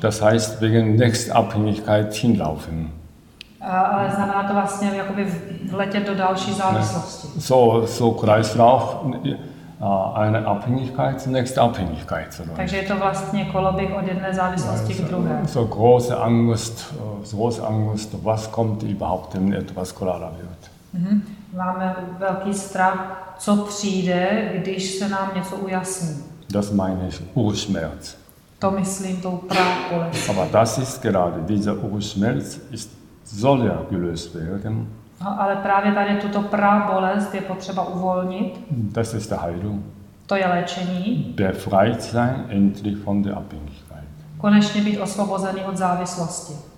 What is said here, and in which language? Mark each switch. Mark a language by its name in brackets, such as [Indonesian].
[German] Das heißt wegen nächst Abhängigkeit hinlaufen. [Czech] Ale znamená to vlastně jakoby vletět do další závislosti. [German] So Kreislauf, eine Abhängigkeit, nächste Abhängigkeit. [Czech] Takže je to vlastně koloběh od jedné závislosti k druhé. [German] So große Angst, was kommt überhaupt, wenn etwas klarer wird. [Czech] Máme velký strach, co přijde, když se nám něco ujasní. [German] Das meine ich, Urschmerz. [Czech] To myslím, tou prábolest. [German] Aber das ist gerade, dieser Urschmerz ist soll ja gelöst werden. [Czech] Ale právě tady tuto prábolest je potřeba uvolnit. [German] Das ist der Heilung. [Czech] To je léčení. [German] Befreit sein endlich von der Abhängigkeit. [Czech] Konečně být osvobozený od závislosti.